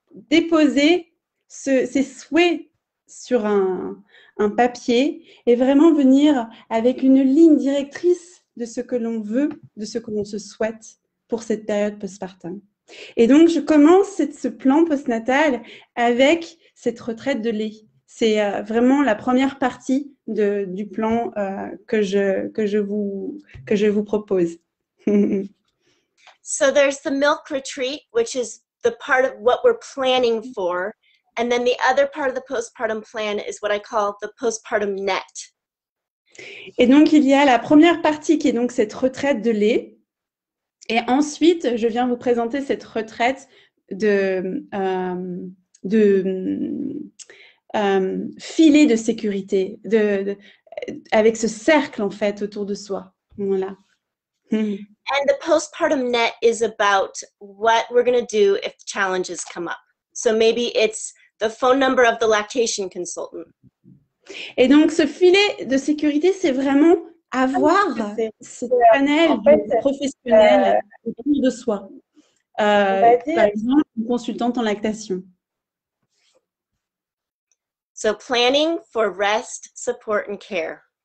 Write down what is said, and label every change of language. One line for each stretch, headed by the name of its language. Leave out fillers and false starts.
French: déposer ses souhaits sur un papier et vraiment venir avec une ligne directrice de ce que l'on veut, de ce que l'on se souhaite pour cette période postpartum. Et donc, je commence ce plan postnatal avec cette retraite de lait. C'est vraiment la première partie du plan que je vous propose.
English: So there's the milk retreat, which is the part of what we're planning for. And then the other part of the postpartum plan is what I call the postpartum net.
French: Et donc, il y a la première partie qui est donc cette retraite de lait. Et ensuite, je viens vous présenter cette retraite de filet de sécurité, avec ce cercle, en fait, autour de soi. Voilà.
English: And the postpartum net is about what we're going to do if challenges come up. So maybe it's the phone number of the lactation consultant.
French: Et donc, ce filet de sécurité, c'est vraiment avoir ce panel professionnel autour de soi. Par exemple, une consultante en lactation.
English: So planning for rest, support and care.